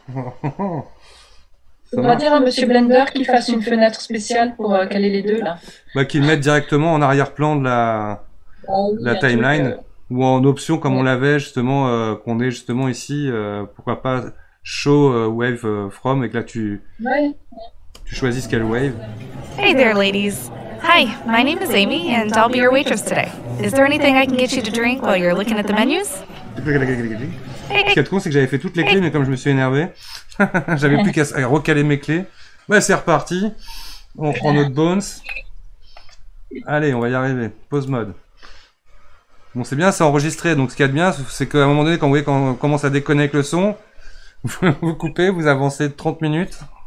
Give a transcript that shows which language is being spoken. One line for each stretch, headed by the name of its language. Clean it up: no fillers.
French: On va dire à Monsieur Blender qu'il fasse une fenêtre spéciale pour caler les deux, là. Bah, qu'il mette directement en arrière-plan de la, la timeline. Ou en option, comme on l'avait justement, qu'on ait justement ici, pourquoi pas
English: show wave from,
French: et que là tu choisisses quelle wave.
English: Hey there, ladies. Hi, my name is Amy, and I'll be your waitress today. Is there anything I can get you to drink while you're looking at the menus?
French: Ce qui est con, c'est que j'avais fait toutes les clés, mais comme je me suis énervé, j'avais plus qu'à recaler mes clés. Bah, c'est reparti. On reprend notre bones. Allez, on va y arriver. Pause mode. Bon, c'est bien, c'est enregistré. Donc, ce qu'il y a de bien, c'est qu'à un moment donné, quand vous voyez qu'on commence à déconner avec le son, vous coupez, vous avancez 30 minutes.